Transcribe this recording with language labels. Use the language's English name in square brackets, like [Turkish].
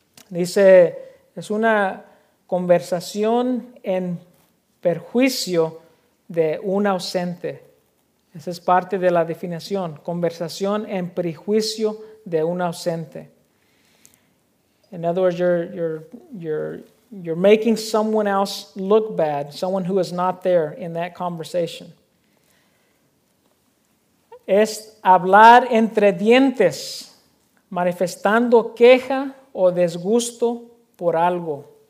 [Spanish] Dice, es una conversación en perjuicio de un ausente. Esa es parte de la definición. Conversación en perjuicio de un ausente. [English] In other words, you're making someone else look bad, someone who is not there in that conversation. [Spanish] Es hablar entre dientes, manifestando queja o disgusto por algo.